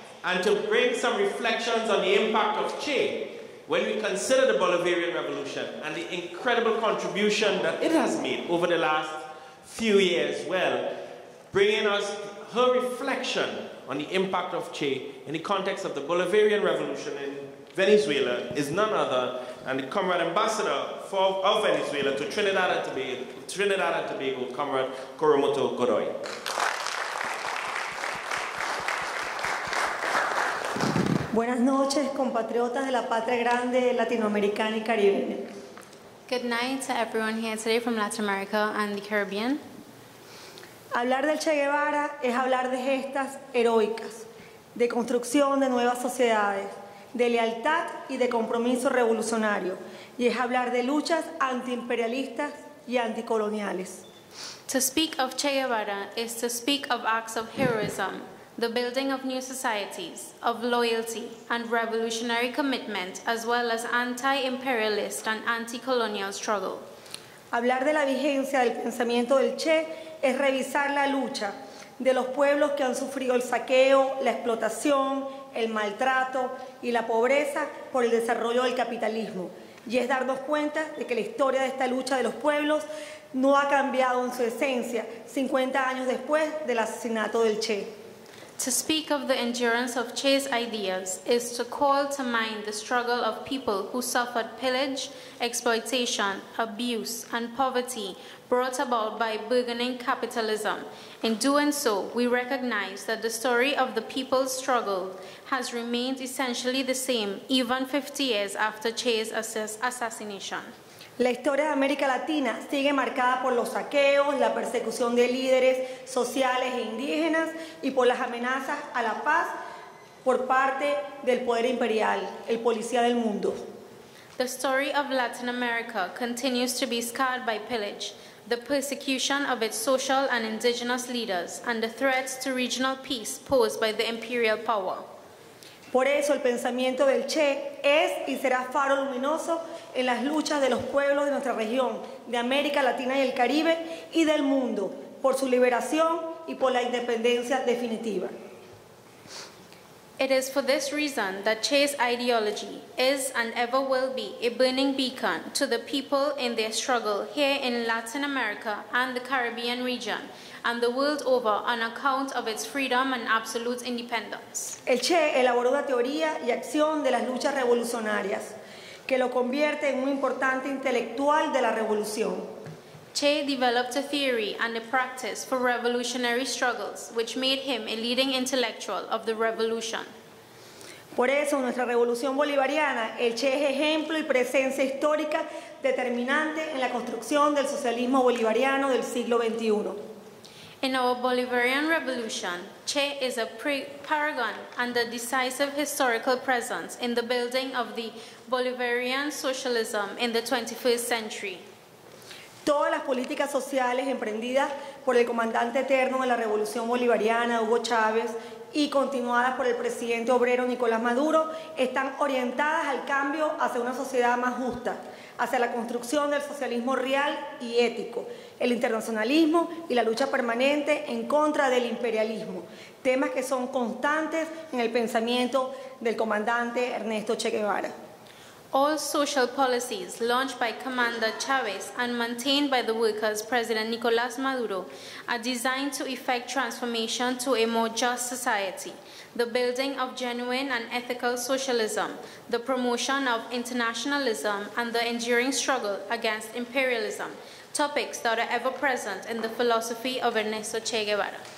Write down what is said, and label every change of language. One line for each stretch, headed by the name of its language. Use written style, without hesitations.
English: And to bring some reflections on the impact of CHE, when we consider the Bolivarian Revolution and the incredible contribution that it has made over the last few years, well, bringing us her reflection on the impact of CHE in the context of the Bolivarian Revolution in Venezuela is none other than the Comrade Ambassador of Venezuela to Trinidad and Tobago, Comrade Coromoto Godoy.
Spanish: Buenas noches, compatriotas de la patria grande latinoamericana y caribeña.
English: Good night to everyone here today from Latin America and the Caribbean.
Spanish: Hablar del Che Guevara es hablar de gestas heroicas, de construcción de nuevas sociedades, de lealtad y de compromiso revolucionario, y es hablar de luchas antiimperialistas y anticoloniales.
English: To speak of Che Guevara is to speak of acts of heroism, the building of new societies, of loyalty and revolutionary commitment, as well as anti-imperialist and anti-colonial struggle.
Spanish: Hablar de la vigencia del pensamiento del Che es revisar la lucha de los pueblos que han sufrido el saqueo, la explotación, el maltrato y la pobreza por el desarrollo del capitalismo. Y es darnos cuenta de que la historia de esta lucha de los pueblos no ha cambiado en su esencia 50 años después del asesinato del Che.
English: To speak of the endurance of Che's ideas is to call to mind the struggle of people who suffered pillage, exploitation, abuse, and poverty brought about by burgeoning capitalism. In doing so, we recognize that the story of the people's struggle has remained essentially the same even 50 years after Che's assassination.
Spanish: La historia de América Latina sigue marcada por los saqueos, la persecución de líderes sociales e indígenas y por las amenazas a la paz por parte del poder imperial, el policía del mundo.
English: The story of Latin America continues to be scarred by pillage, the persecution of its social and indigenous leaders, and the threats to regional peace posed by the imperial power.
Spanish: Por eso el pensamiento del Che es y será faro luminoso en las luchas de los pueblos de nuestra región, de América Latina y el Caribe, y del mundo, por su liberación y por la independencia definitiva.
English: It is for this reason that Che's ideology is and ever will be a burning beacon to the people in their struggle here in Latin America and the Caribbean region, and the world over on account of its freedom and absolute independence.
Spanish: El Che elaboró la teoría y acción de las luchas revolucionarias, que lo convierte en un importante intelectual de la revolución.
English: Che developed a theory and a practice for revolutionary struggles, which made him a leading intellectual of the revolution.
Spanish: Por eso, nuestra revolución bolivariana, el Che es ejemplo y presencia histórica determinante en la construcción del socialismo bolivariano del siglo XXI.
English: In our Bolivarian Revolution, Che is a paragon and a decisive historical presence in the building of the Bolivarian socialism in the 21st century.
Spanish: Todas las políticas sociales emprendidas por el comandante eterno de la Revolución Bolivariana, Hugo Chávez, y continuadas por el presidente obrero Nicolás Maduro, están orientadas al cambio hacia una sociedad más justa, hacia la construcción del socialismo real y ético, el internacionalismo y la lucha permanente en contra del imperialismo, temas que son constantes en el pensamiento del comandante Ernesto Che Guevara.
English: All social policies launched by Commander Chavez and maintained by the workers, President Nicolás Maduro, are designed to effect transformation to a more just society, the building of genuine and ethical socialism, the promotion of internationalism, and the enduring struggle against imperialism, topics that are ever present in the philosophy of Ernesto Che Guevara.